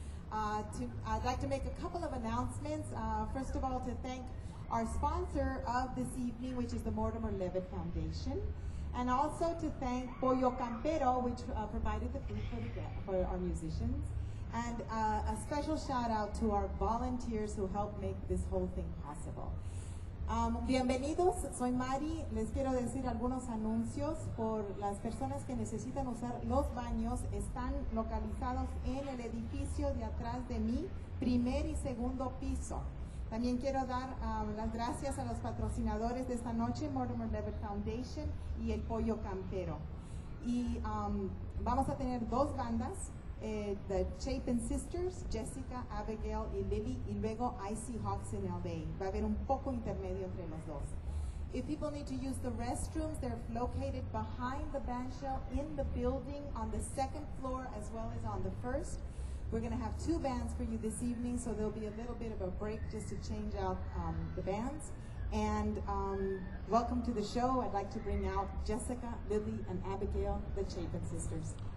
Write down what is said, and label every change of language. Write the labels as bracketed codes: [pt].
[en] I'd like to make a couple of announcements. First of all, to thank our sponsor of this evening, which is the Mortimer Levitt Foundation. And also to thank Pollo Campero, which provided the food for our musicians. And a special shout out to our volunteers who helped make this whole thing possible. [es] Bienvenidos, soy Mari. Les quiero decir algunos anuncios por las personas que necesitan usar los baños. Están localizados en el edificio de atrás de mí, primer y segundo piso. También quiero dar las gracias a los patrocinadores de esta noche, Mortimer Levitt Foundation y el Pollo Campero. Y vamos a tener dos bandas, The Chapin Sisters, Jessica, Abigail y Lily, y luego Icy Hawks in LA. Va a haber un poco intermedio entre los dos. [en] If people need to use the restrooms, they're located behind the band shell in the building on the second floor as well as on the first. We're going to have two bands for you this evening, so there'll be a little bit of a break just to change out the bands. And welcome to the show. I'd like to bring out Jessica, Lily, and Abigail, the Chapin Sisters.